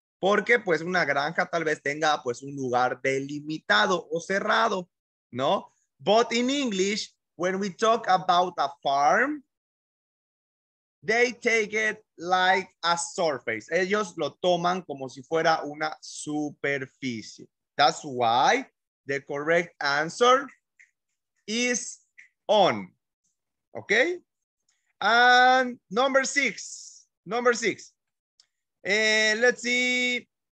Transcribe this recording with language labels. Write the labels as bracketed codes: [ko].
[es] Porque, pues, una granja tal vez tenga, pues, un lugar delimitado o cerrado, ¿no? [en] But in English, when we talk about a farm, they take it like a surface. [es] Ellos lo toman como si fuera una superficie. [en] That's why the correct answer is on. Okay? And number six. Let's see.